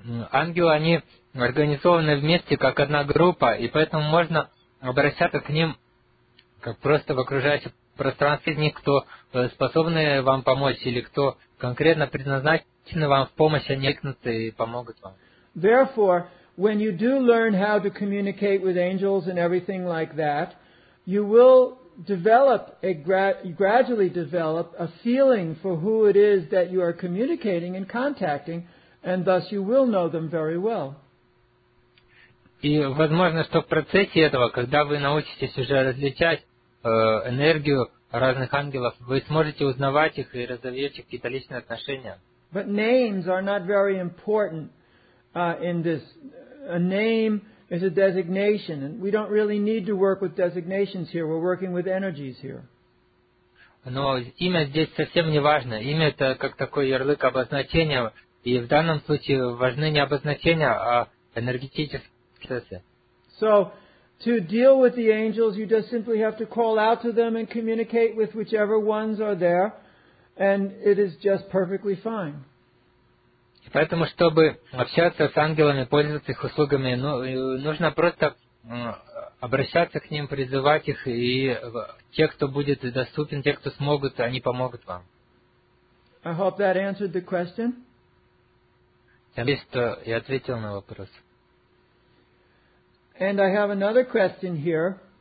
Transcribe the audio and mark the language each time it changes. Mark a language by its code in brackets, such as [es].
[ru] Ангелы, они организованы вместе, как одна группа, и поэтому можно обращаться к ним как просто в окружающем пространстве, не кто способны вам помочь или кто конкретно предназначен вам в помощь, они откликнутся и помогут вам. [en] Therefore, when you do learn how to communicate with angels and everything like that, you will develop gradually develop a feeling for who it is that you are communicating and contacting, and thus you will know them very well. [ru] И возможно, что в процессе этого, когда вы научитесь уже различать энергию разных ангелов, вы сможете узнавать их и разовьете какие-то личные отношения. [en] But names are not very important in this. A name is a designation, and we don't really need to work with designations here. We're working with energies here. [ru] Но имя здесь совсем не важно. Имя — это как такой ярлык, обозначение, и в данном случае важны не обозначения, а энергетические процессы. [en] So, to deal with the angels, you just simply have to call out to them and communicate with whichever ones are there, and it is just perfectly fine. [ru] Поэтому, чтобы общаться с ангелами, пользоваться их услугами, нужно просто обращаться к ним, призывать их, и те, кто будет доступен, те, кто смогут, они помогут вам. [en] I hope that answered the question. [ru] Я надеюсь, что я ответил на вопрос. [en] And I have another question here.